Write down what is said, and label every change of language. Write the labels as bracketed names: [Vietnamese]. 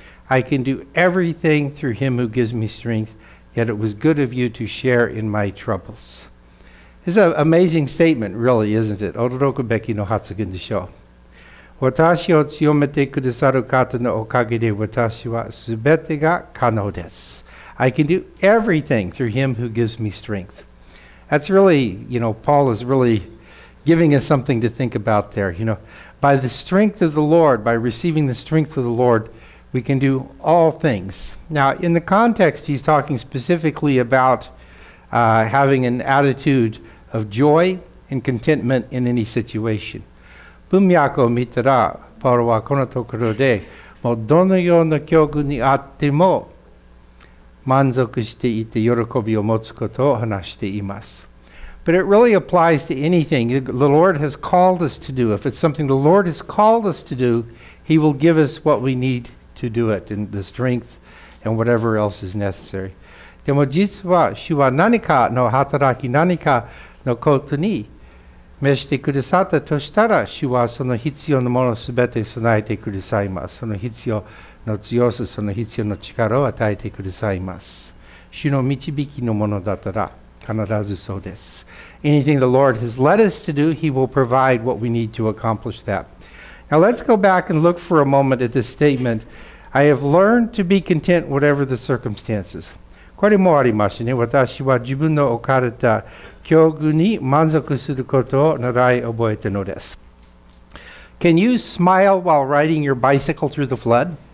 [English] I can do everything through him who gives me strength, yet it was good of you to share in my troubles. It's an amazing statement, really, isn't it? [Japanese] 驚くべきの発言でしょう。私を強めてくださる方のおかげで私はすべてが可能です。 [English] I can do everything through him who gives me strength. That's really, you know, Paul is really giving us something to think about there. You know, by the strength of the Lord, by receiving the strength of the Lord, we can do all things. Now, in the context, he's talking specifically aboutHaving an attitude of joy and contentment in any situation. [Japanese] 文脈を見たら、パウロはこのところで、もうどのような境遇にあっても、満足していて喜びを持つことを話しています。 [English] But it really applies to anything. The Lord has called us to do. If it's something the Lord has called us to do, He will give us what we need to do it, and the strength and whatever else is necessary. [Japanese] でも実は主は何かの働き何かのことに召してくださったとしたら主はその必要なものすべて備えてくださいますその必要の強さその必要の力を与えてくださいます主の導きのものだったら必ずそうです [English] Anything the Lord has led us to do He will provide what we need to accomplish that Now let's go back and look for a moment at this statement I have learned to be content whatever the circumstances [Japanese] これもありますね。私は自分の置かれた境遇に満足することを習い覚えてのです。 [English] Can you smile while riding your bicycle through the flood?